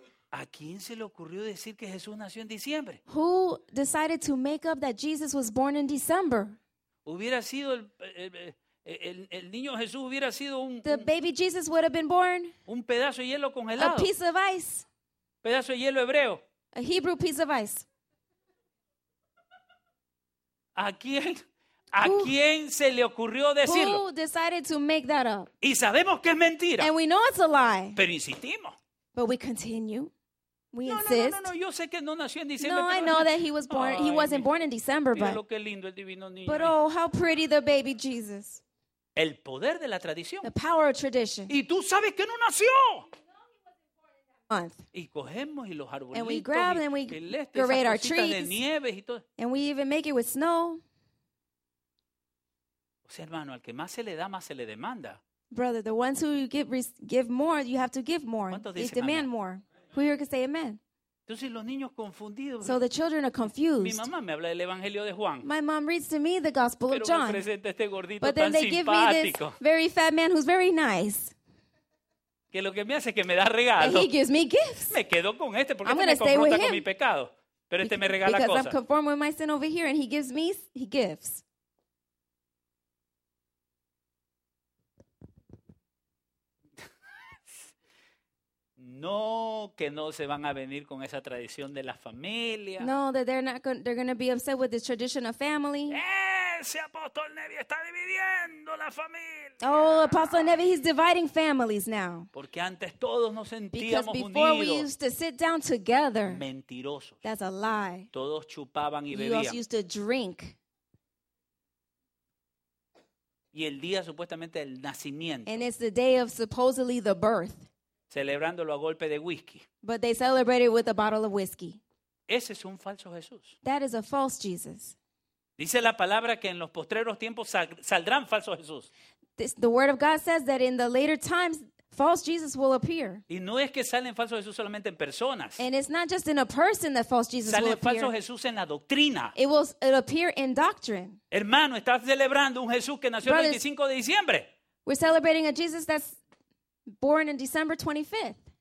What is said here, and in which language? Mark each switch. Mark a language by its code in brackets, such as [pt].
[es] ¿A quién se le ocurrió decir que Jesús nació en diciembre? [en] Who decided to make up that Jesus was born in December? [es] Hubiera sido el niño Jesús hubiera sido un [en] the baby Jesus would have been born [es] un pedazo de hielo congelado. [en] A piece of ice. [es] Pedazo de hielo hebreo. [en] A Hebrew piece of ice. [es] ¿A quién se le ocurrió decirlo? [en] Who decided to make that up? [es] Y sabemos que es mentira. [en] And we know it's a lie. [es] Pero insistimos. [en] But we continue. We no, insist. [es] No, yo sé que no nació en diciembre. No, pero [en] I know that he was born. Ay, he wasn't born in December, [es] mira [en] but. [es] Lo que lindo el divino niño. [en] But oh, how pretty the baby Jesus. [es] El poder de la tradición. [en] The power of tradition. [es] Y tú sabes que no nació. [en] Month. [es] Y cogemos y los arbolitos. [en] And we grab them. We decorate our trees. [es] De nieve y todo. [en] And we even make it with snow. [es] O sea, hermano, al que más se le da, más se le demanda. [en] Brother, the ones who give more, you have to give more. They demand More. Who here can say amen? [es] Entonces los niños confundidos. [en] So the children are confused. [es] Mi mamá me habla del Evangelio de Juan. [en] My mom reads to me the Gospel of John. [es] Pero me presenta este gordito [en] but then [es] tan [en] they [es] simpático. [en] Give me this very fat man who's very nice. [es] Que lo que me hace es que me da regalos. [en] He gives me gifts. [es] Me quedo con este porque este me confronta con mi pecado. Pero este me regala [en] because [es] cosas. [en] Because I'm conformed with my sin over here and he gives me he gifts. [es] No, que no se van a venir con esa tradición de la familia. [en] No, that they're going to be upset with this tradition of family. [es] Ese apóstol Nevi está dividiendo la familia. [en] Oh, Apostle Nevi, he's dividing families now. [es] Porque antes todos nos sentíamos unidos. [en] Because before we used to sit down together. [es] Mentiroso. [en] That's a lie. [es] Todos chupaban y [en] you [es] bebían. [en] You all used to drink. [es] Y el día supuestamente del nacimiento. [en] And it's the day of supposedly the birth. [es] Celebrándolo a golpe de whisky. [en] But they celebrated with a bottle of whiskey. [es] Ese es un falso Jesús. [en] That is a false Jesus. [es] Dice la palabra que en los postreros tiempos saldrán falsos Jesús. [en] The word of God says that in the later times false Jesus will appear. [es] Y no es que salen falsos Jesús solamente en personas. [en] And it's not just in a person that false Jesus [es] salen [en] will appear. [es] Sale falso Jesús en la doctrina. [en] It'll appear in doctrine. [es] Hermano, estás celebrando un Jesús que nació el 25 de diciembre. [en] We're celebrating a Jesus that's born on December 25th.